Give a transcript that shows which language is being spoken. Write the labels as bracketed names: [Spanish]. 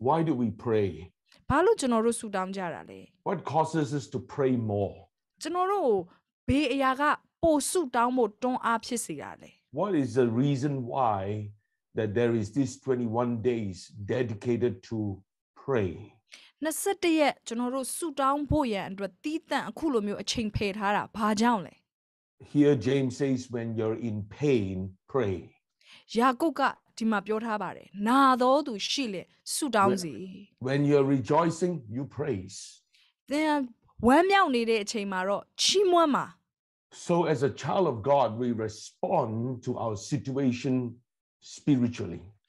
[English] Why do we pray? [Burmese] ဘာလို့ကျွန်တော်တို့ဆုတောင်းကြတာလဲ? [English] What causes us to pray more? [Burmese] ကျွန်တော်တို့ဘေးအရာကပိုဆုတောင်းဖို့တွန်းအားဖြစ်စေတာလဲ? [English] What is the reason why that there is this 21 days dedicated to pray. [Burmese] 21 ရက် ကျွန်တော်တို့ ဆုတောင်းဖို့ရန် အတွက် တည်တံ့ အခု လို မျိုး အချိန် ဖယ်ထားတာ ဘာကြောင့်လဲ? [English] Here James says when you're in pain, pray. [Burmese] ယာကုပ်က ဒီမှာ ပြောထားပါတယ် 나သောသူ ရှိလျှင် ဆုတောင်းစီ [English] When you're rejoicing, you praise. [Burmese] Then ဝမ်းမြောက်နေတဲ့ အချိန် မှာတော့ ချီးမွမ်းမှာ [English] So as a child of God, we respond to our situation spiritually